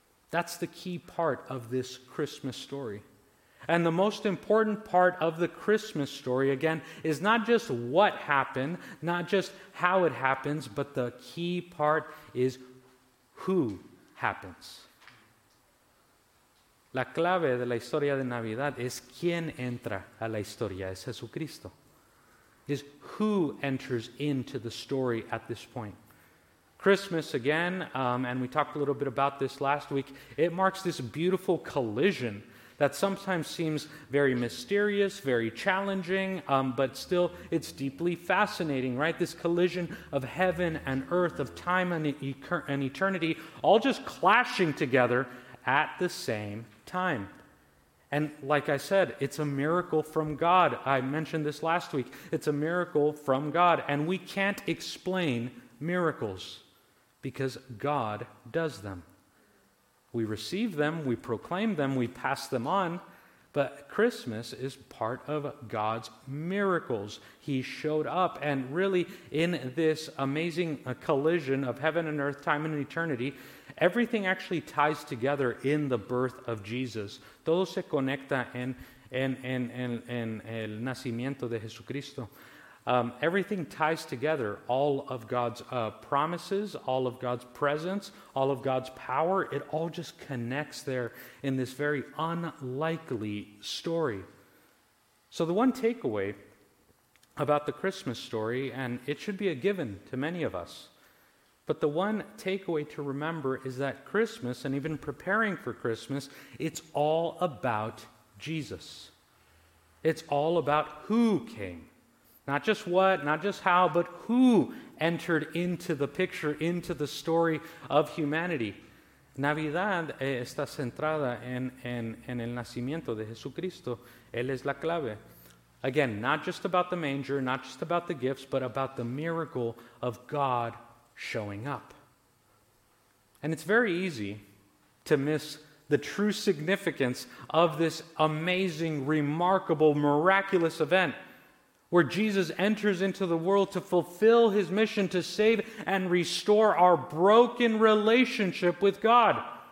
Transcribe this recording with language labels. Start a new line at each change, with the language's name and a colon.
English: That's the key part of this Christmas story. And the most important part of the Christmas story, again, is not just what happened, not just how it happens, but the key part is who happens.
Spanish: La clave de la historia de Navidad es quién entra a la historia, es Jesucristo.
English: Is who enters into the story at this point. Christmas, again, and we talked a little bit about this last week, it marks this beautiful collision that sometimes seems very mysterious, very challenging, but still it's deeply fascinating, right? This collision of heaven and earth, of time and eternity, all just clashing together at the same time. And like I said, it's a miracle from God. I mentioned this last week. It's a miracle from God. And we can't explain miracles because God does them. We receive them, we proclaim them, we pass them on. But Christmas is part of God's miracles. He showed up, and really in this amazing collision of heaven and earth, time and eternity, everything actually ties together in the birth of Jesus.
Spanish: Todo se conecta en el nacimiento de Jesucristo.
English: Everything ties together, all of God's promises, all of God's presence, all of God's power. It all just connects there in this very unlikely story. So the one takeaway about the Christmas story, and it should be a given to many of us, but the one takeaway to remember is that Christmas, and even preparing for Christmas, it's all about Jesus. It's all about who came. Not just what, not just how, but who entered into the picture, into the story of humanity.
Spanish: Navidad está centrada en el nacimiento de Jesucristo. Él es la clave.
English: Again, not just about the manger, not just about the gifts, but about the miracle of God showing up. And it's very easy to miss the true significance of this amazing, remarkable, miraculous event where Jesus enters into the world to fulfill his mission to save and restore our broken relationship with God.